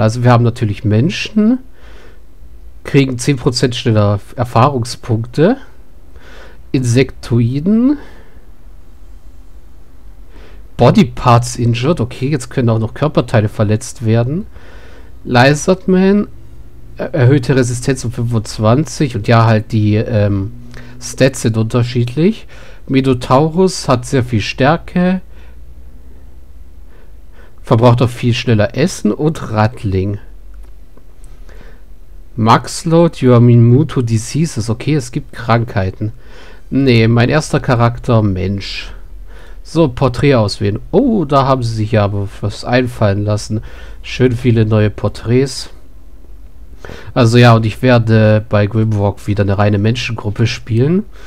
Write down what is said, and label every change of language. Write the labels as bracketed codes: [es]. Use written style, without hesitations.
[de] Also wir haben natürlich Menschen, kriegen 10% schneller Erfahrungspunkte, Insektoiden, Body Parts Injured, okay, jetzt können auch noch Körperteile verletzt werden, Lizardman, erhöhte Resistenz um 25 und ja, halt die Stats sind unterschiedlich, Minotaurus hat sehr viel Stärke, verbraucht auch viel schneller Essen und Rattling. [en] Max Load, you are immune to diseases. [de] Okay, es gibt Krankheiten. Nee, mein erster Charakter, Mensch. So, Porträt auswählen. Oh, da haben sie sich ja aber was einfallen lassen. Schön viele neue Porträts. Also ja, und ich werde bei Grimrock wieder eine reine Menschengruppe spielen.